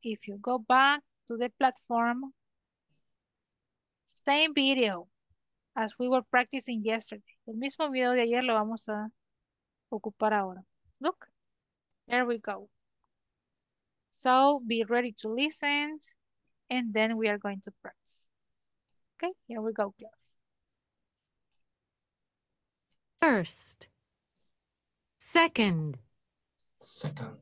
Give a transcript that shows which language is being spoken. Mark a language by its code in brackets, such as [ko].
[en] If you go back to the platform, same video as we were practicing yesterday. [es] El mismo video de ayer lo vamos a ocupar ahora. [en] Look, there we go. So be ready to listen, and then we are going to practice. Okay, here we go, class. First, second, second,